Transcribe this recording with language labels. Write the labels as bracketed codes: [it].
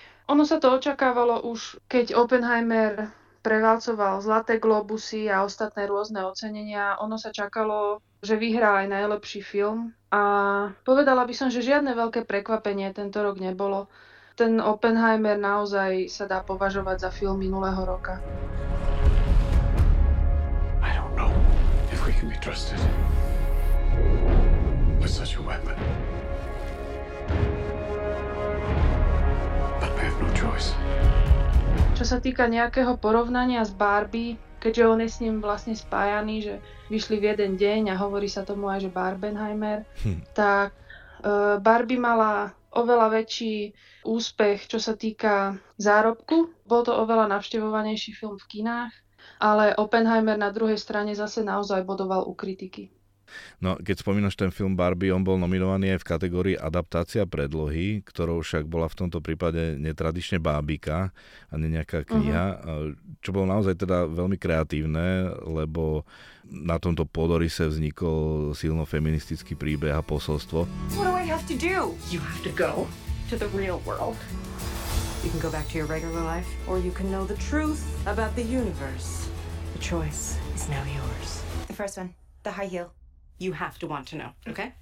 [sk] Ono sa to očakávalo už, keď Oppenheimer prevalcoval Zlaté globusy a ostatné rôzne ocenenia. Ono sa čakalo, že vyhrá aj najlepší film. A povedala by som, že žiadne veľké prekvapenie tento rok nebolo. Ten Oppenheimer naozaj sa dá považovať za film minulého roka. [en] I don't know if we can be trusted with such a weapon. But we have no choice. [sk] Čo sa týka nejakého porovnania s Barbie, keďže on je s ním vlastne spájaný, že vyšli v jeden deň a hovorí sa tomu aj, že Barbenheimer, tak Barbie mala oveľa väčší úspech, čo sa týka zárobku. Bol to oveľa navštevovanejší film v kinách, ale Oppenheimer na druhej strane zase naozaj bodoval u kritiky. No, keď spomínaš ten film Barbie, on bol nominovaný aj v kategórii adaptácia predlohy, ktorou však bola v tomto prípade netradične bábika a nie nejaká kniha, čo bolo naozaj teda veľmi kreatívne, lebo na tomto podorise vznikol silno feministický príbeh a posolstvo. [en] What do I have to do? You have to go to the real world. You can go back to your regular life, or you can know the truth about the universe. The choice is now yours. The first one, the high heel. You have to want to know, okay?